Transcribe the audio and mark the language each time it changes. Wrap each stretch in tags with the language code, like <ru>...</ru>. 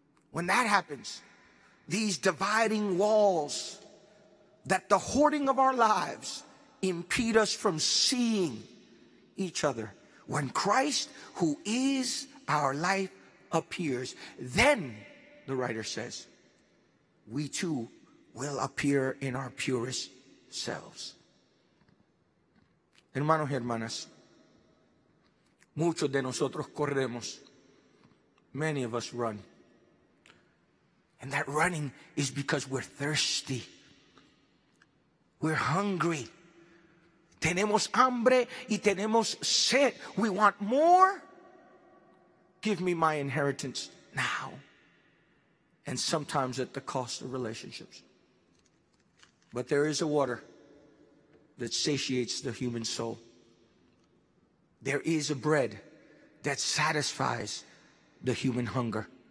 <en>When that happens, these dividing walls that the hoarding of our lives impede us from seeing each other, when Christ, who is our life, appears, then, the writer says, we too will appear in our purest selves.</en> <es>Hermanos y hermanas, muchos de nosotros corremos.</es> <en>Many of us run. And that running is because we're thirsty. We're hungry.</en> <es>Tenemos hambre y tenemos sed.</es> <en>We want more. Give me my inheritance now. And sometimes at the cost of relationships. But there is a water that satiates the human soul. There is a bread that satisfies the human hunger.</en>